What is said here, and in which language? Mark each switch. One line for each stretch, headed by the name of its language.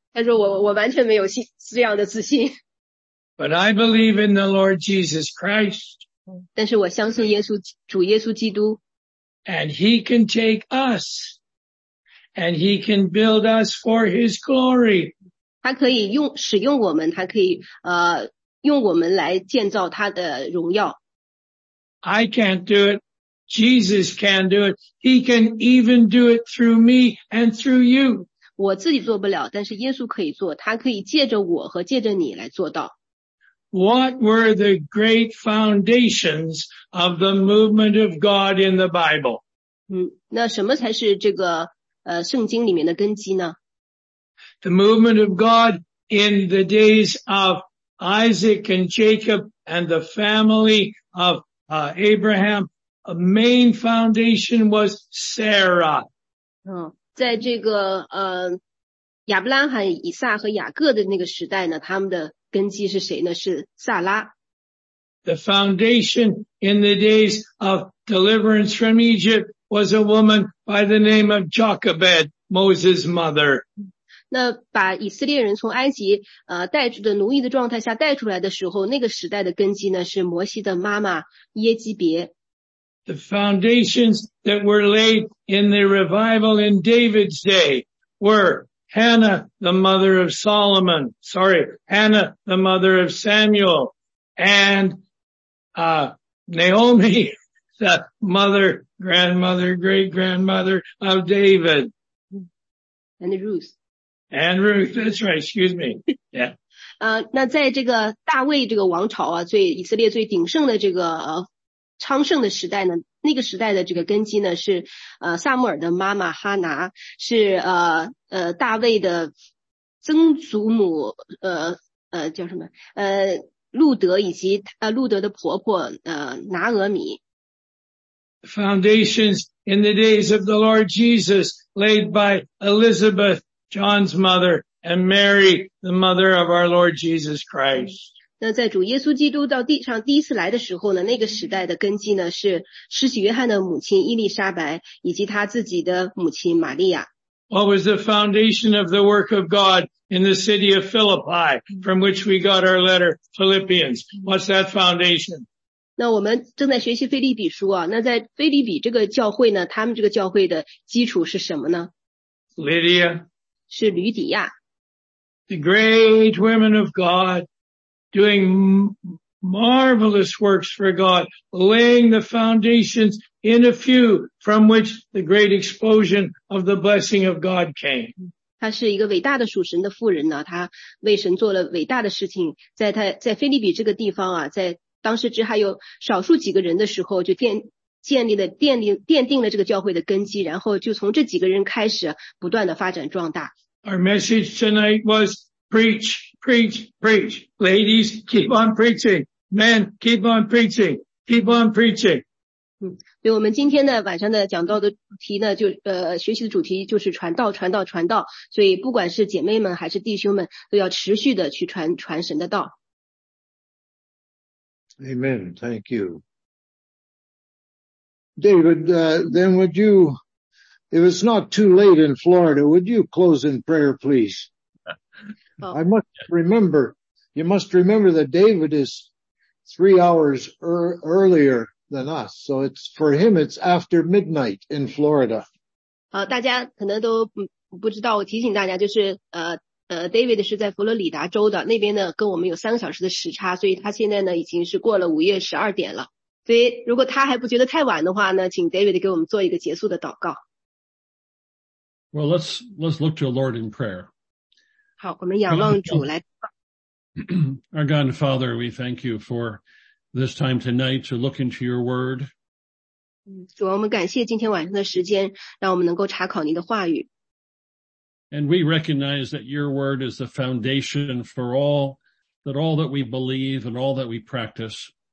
Chinese: 他说我完全没有这样的自信。
English: But I believe in the Lord Jesus Christ.
Chinese: 但是我相信主耶稣基督。
English: And he can take us, and he can build us for his glory.
Chinese: 他可以使用我们，他可以用我们来建造他的荣耀。
English: I can't do it. Jesus can do it. He can even do it through me and through you.
Chinese: 我自己做不了，但是耶稣可以做，他可以借着我和借着你来做到。
English: What were the great foundations of the movement of God in the Bible?
Chinese: 那什么才是这个圣经里面的根基呢？
English: The movement of God in the days of Isaac and Jacob and the family of Abraham, a main foundation was Sarah.
Chinese: 在这个亚伯拉罕、以撒和雅各的那个时代呢，他们的根基是谁呢？是撒拉。
English: The foundation in the days of deliverance from Egypt was a woman by the name of Jochebed, Moses' mother.
Chinese: 那把以色列人从埃及带出的奴役的状态下带出来的时候，那个时代的根基呢是摩西的妈妈耶基别。
English: The foundations that were laid in the revival in David's day were. Hannah, the mother of Solomon, sorry, Hannah, the mother of Samuel, and, Naomi, the mother, grandmother, great grandmother of David. And Ruth. And Ruth, that's right, excuse me. Yeah.
Chinese: 那在这个大卫这个王朝啊，最以色列最鼎盛的这个昌盛的时代呢，那个时代的这个根基呢是撒母耳的妈妈哈拿，是大卫的曾祖母叫什么路德，以及路德的婆婆拿俄米。
English: Foundations in the days of the Lord Jesus laid by Elizabeth, John's mother, and Mary, the mother of our Lord Jesus Christ.
Chinese: 那在主耶稣基督到地上第一次来的时候呢，那个时代的根基呢是施洗约翰的母亲伊丽莎白，以及他自己的母亲玛利亚。
English: what was the foundation of the work of God in the city of Philippi, from which we got our letter, Philippians. What's that foundation?
Chinese: 那我们正在学习腓立比书啊，那在腓立比这个教会呢，他们这个教会的基础是什么呢？
English: Lydia.
Chinese: 是吕底亚。
English: The great women of God doing marvelous works for God, laying the foundations in a few from which the great explosion of the blessing of God came.
Chinese: 她是一个伟大的属神的妇人呢，她为神做了伟大的事情，在她在腓立比这个地方啊，在当时只还有少数几个人的时候，就奠定了这个教会的根基，然后就从这几个人开始不断的发展壮大。
English: Our message tonight was preach, preach, preach. Ladies, keep on preaching. Men, keep on preaching. Keep on preaching.
Chinese: 对，我们今天的晚上的讲道的主题呢，就学习的主题就是传道，传道，传道。所以不管是姐妹们还是弟兄们，都要持续的去传神的道。
English: Amen. Thank you. David, then would you, if it's not too late in Florida, would you close in prayer, please? I must remember, you must remember that David is 3 hours earlier than us. So it's, for him, it's after midnight in Florida.
Chinese: 大家可能都不知道，我提醒大家就是David 是在佛罗里达州的，那边呢跟我们有3个小时的时差，所以他现在呢已经是过了午夜12点了。所以如果他还不觉得太晚的话呢，请 David 给我们做一个结束的祷告。
English: Well, let's look to the Lord in prayer.
Chinese: 好，我们仰望主来。
English: Our God and Father, we thank you for this time tonight to look into your word.
Chinese: 主，我们感谢今天晚上的时间，让我们能够查考您的话语。
English: And we recognize that your word is the foundation for all that we believe and all that we practice.